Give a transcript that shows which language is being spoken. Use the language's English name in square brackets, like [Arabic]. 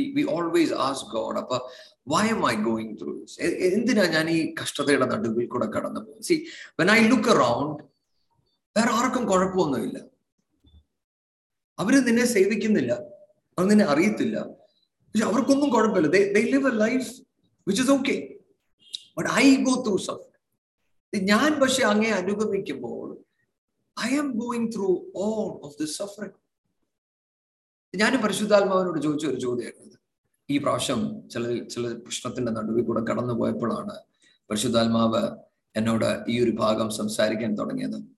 [English] We always ask God, അപ്പൊ why am I going through this? [Malayalam] എന്തിനാ ഞാൻ ഈ കഷ്ടതയുടെ നടുവിൽ കൂടെ കടന്നു പോകുന്നത്? [English] see, when I look around, [Malayalam] വേറെ ആർക്കും കുഴപ്പമൊന്നുമില്ല. അവര് നിന്നെ സേവിക്കുന്നില്ല, അവർ നിന്നെ അറിയത്തില്ല, പക്ഷെ അവർക്കൊന്നും കുഴപ്പമില്ല. [English] They live a life which is okay, but I go through suffering. [Malayalam] ഞാൻ പക്ഷെ അങ്ങേ അനുഭവിക്കുമ്പോൾ [English] I am going through all of this suffering. [Malayalam] ഞാൻ പരിശുദ്ധാത്മാവിനോട് ചോദിച്ച ഒരു ചോദ്യമായിരുന്നു ഈ പ്രാവശ്യം. ചില പ്രശ്നത്തിന്റെ നടുവിൽ കൂടെ കടന്നു പോയപ്പോഴാണ് പരിശുദ്ധാത്മാവ് എന്നോട് ഈ ഒരു ഭാഗം സംസാരിക്കാൻ തുടങ്ങിയത്.